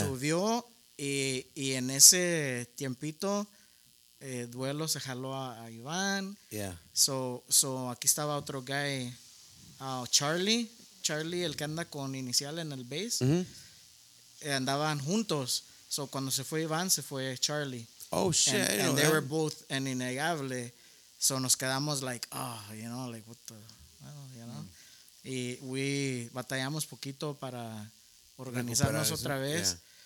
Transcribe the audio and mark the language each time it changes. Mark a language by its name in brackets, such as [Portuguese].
[Spanish] subió y en ese tiempito Duelo se jaló a Iván. [English] Yeah. [Spanish] So aquí estaba otro guy, Charlie. Charlie, el que anda con Inicial en el bass. Mm-hmm. Andaban juntos. So cuando se fue Iván, se fue Charlie. [English] Oh shit. And they were both en Innegable. [Spanish] So nos quedamos [English] like, oh, you know, like what the, well, you know. Mm. [Spanish] Y we batallamos poquito para organizarnos otra vez.